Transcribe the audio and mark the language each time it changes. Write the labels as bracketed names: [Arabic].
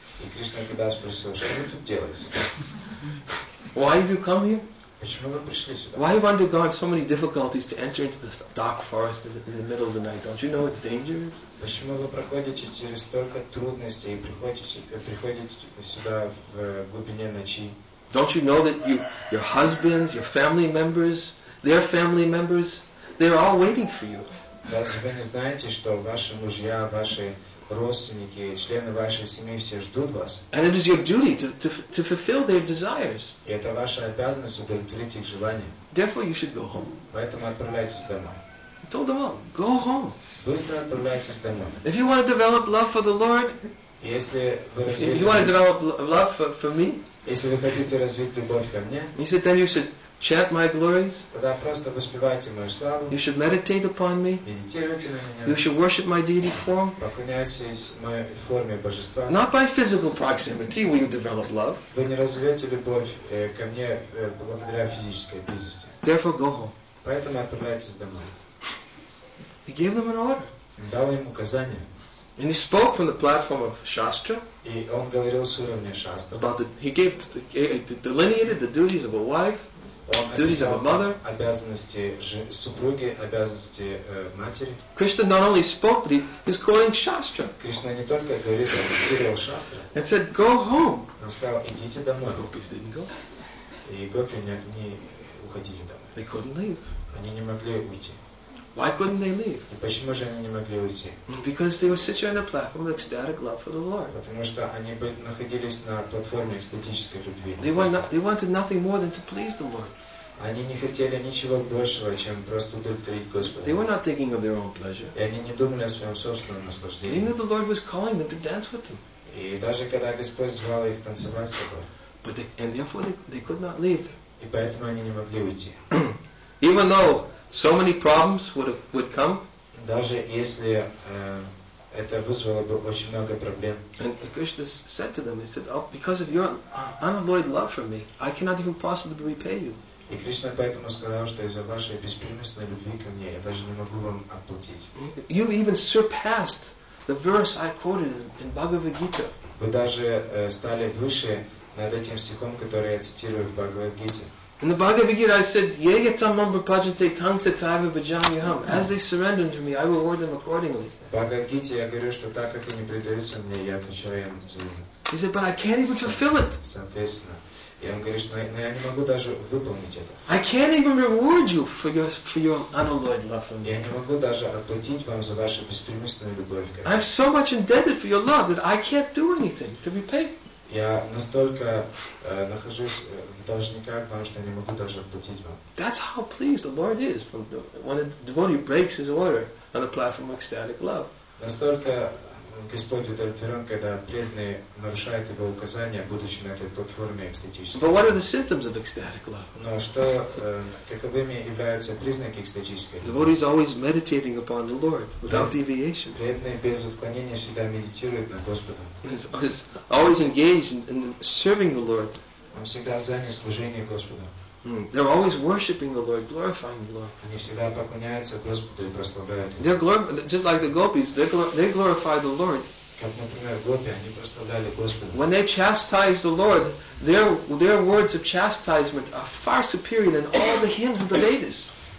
[Russian] И Кришна тогда спросил, что вы тут делаете? [English] Why have you come here? [Russian] Почему вы пришли сюда? [English] Why have you undergone so many difficulties to enter into the dark forest in the middle of the night? Don't you know it's dangerous? [Russian] Почему вы проходите через столько трудностей и приходите сюда в глубине ночи? [English] Don't you know that your husbands, your family members, their family members, they're all waiting for you? [Russian] Разве вы не знаете, что ваши мужья, ваши родственники, члены вашей семьи все ждут вас? [English] And it is your duty to fulfill their desires. [Russian] И это ваша обязанность удовлетворить их желания. [English] Therefore, you should go home. [Russian] Поэтому отправляйтесь домой. [English] I told them all, go home. [Russian] Быстро отправляйтесь домой. [English] If you want to develop love for the Lord, if you want to develop love for me, [Russian] если вы хотите развить любовь ко мне, [English] he said, then you should chant my glories. [Russian] Тогда просто воспевайте мою славу. [English] You should meditate upon me. [Russian] Медитируйте на меня. [English] You should worship my deity form. [Russian] Поклоняйтесь моей форме божества. [English] Not by physical proximity will you develop love. [Russian] Вы не развиете любовь ко мне благодаря физической близости. [English] Therefore, go home. [Russian] Поэтому отправляйтесь домой. [English] He gave them an order. [Russian] Он дал им указание. [English] And he spoke from the platform of Shastra. [Russian] И он говорил с уровня Шастра. [English] About he delineated the duties of a wife, [Russian] он [English] duties of a mother. [Russian] Обязанности супруги, обязанности матери. [English] Krishna not only spoke, but he was quoting Shastra. [Russian] Кришна не только говорит, а цитировал Шастра. [English] And said, "Go home." [Russian] Он сказал, идите домой. [English] The gopis didn't go. [Russian] И гопи не уходили домой. [English] They couldn't leave. [Russian] Они не могли уйти. [English] Why couldn't they leave? [Russian] И почему же они не могли уйти? [English] Because they were sitting on a platform of ecstatic love for the Lord. [Russian] Потому что они находились на платформе экстатической любви. [English] They wanted nothing more than to please the Lord. [Russian] Они не хотели ничего большего, чем просто удовлетворить Господа. [English] They were not thinking of their own pleasure. [Russian] И они не думали о своем собственном наслаждении. [English] They knew the Lord was calling them to dance with Him. [Russian] И даже когда Господь звал их танцевать с собой. [English] But they, and therefore they could not leave. [Russian] И поэтому они не могли уйти. [English] Even though so many problems would come. [Russian] Даже если это вызвало бы очень много проблем. [English] And Krishna said to them, He said, "Oh, because of your unalloyed love for me, I cannot even possibly repay you." [Russian] И Кришна поэтому сказал, что из-за вашей беспримесной любви ко мне я даже не могу вам отплатить. [English] You even surpassed the verse I quoted in Bhagavad Gita. [Russian] Вы даже стали выше над этим стихом, который я цитирую в Бхагавад Гите. [English] In the Bhagavad Gita, I said, [Sanskrit] "Yeyatam mamba pajante tantra tava bhajamiham." [English] As they surrender to me, I will reward them accordingly. [Russian] Bhagavad Gita, я говорю, что так как они предаются мне, я отвечаю им за них. [English] He said, "But I can't even fulfill it." [Russian] Соответственно, я ему говорю, что я не могу даже выполнить это. [English] I can't even reward you for your unalloyed love for me. [Russian] Я не могу даже отплатить вам за вашу беспримесную любовь. [English] I'm so much indebted for your love that I can't do anything to repay. [Russian] Я настолько нахожусь в должниках вам, что не могу даже отплатить вам. [English] That's how pleased the Lord is when a devotee breaks his order on the platform of ecstatic love. [Russian] Настолько Господь удовлетворен, когда преданный нарушает его указания, будучи на этой платформе экстатической. [English] But what are the symptoms of ecstatic love? [Russian] Но что, каковыми являются признаки экстатической любви? [English] Devotee is always meditating upon the Lord without deviation. [Russian] Преданный без отклонения всегда медитирует на Господа. [English] He's always engaged in serving the Lord. [Russian] Он всегда занят служением Господа. [English] They're always worshiping the Lord, glorifying the Lord. [Russian] Они всегда поклоняются Господу и прославляют Его. [English] They're just like the gopis, they glorify the Lord. [Russian] Как, например, гопи, они прославляли Господа. [English] When they chastise the Lord, their words of chastisement are far superior than all the hymns of the Vedas.